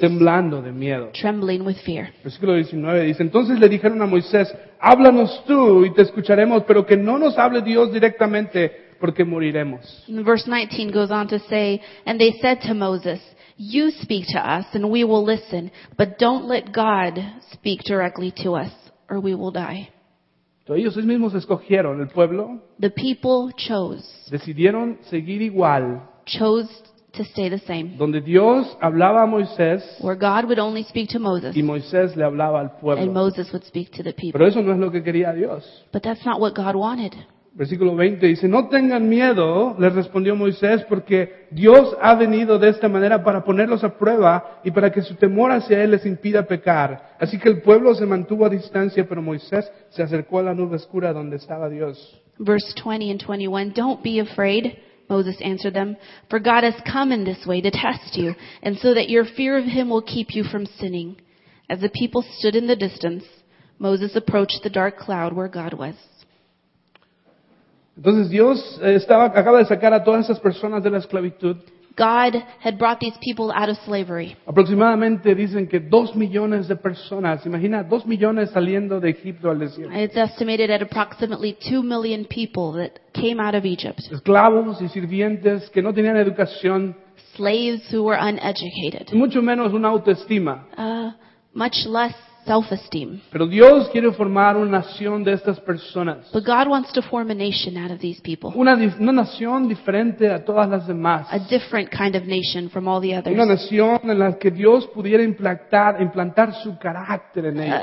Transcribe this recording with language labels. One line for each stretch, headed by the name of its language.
Spanish: temblando de miedo.
English: Trembling with fear.
Spanish: Versículo 19 dice, entonces le dijeron a Moisés, háblanos tú y te escucharemos, pero que no nos hable Dios directamente, porque moriremos.
English: Verse 19 goes on to say, and they said to Moses, you speak to us and we will listen, but don't let God speak directly to us or we will die.
Spanish: Entonces, ellos mismos escogieron, el pueblo.
English: The people chose.
Spanish: Decidieron seguir igual.
English: Chose to stay the same.
Spanish: Donde Dios hablaba a Moisés.
English: Where God would only speak to Moses.
Spanish: Y Moisés le hablaba al pueblo.
English: And Moses would speak to the people.
Spanish: Pero eso no es lo que quería Dios.
English: But that's not what God wanted.
Spanish: Versículo 20 dice, no tengan miedo, les respondió Moisés, porque Dios ha venido de esta manera para ponerlos a prueba y para que su temor hacia Él les impida pecar. Así que el pueblo se mantuvo a distancia, pero Moisés se acercó a la nube oscura donde estaba Dios.
English: Verse 20 and 21, don't be afraid, Moses answered them, for God has come in this way to test you, and so that your fear of Him will keep you from sinning. As the people stood in the distance, Moses approached the dark cloud where God was.
Spanish: Entonces Dios acaba de sacar a todas esas personas de la esclavitud.
English: God had brought these people out of slavery.
Spanish: Aproximadamente dicen que 2 millones de personas, imagina 2 millones saliendo de Egipto al desierto.
English: It's estimated at approximately 2 million people that came out of Egypt.
Spanish: Esclavos y sirvientes que no tenían educación.
English: Slaves who were uneducated.
Spanish: Mucho menos una autoestima.
English: Much less self-esteem.
Spanish: Pero Dios quiere formar una nación de estas personas.
English: But God wants to form a nation out of these people.
Spanish: Una nación diferente a todas las demás.
English: A different kind of nation from all the others.
Spanish: Una nación en la que Dios pudiera implantar su carácter en ellos.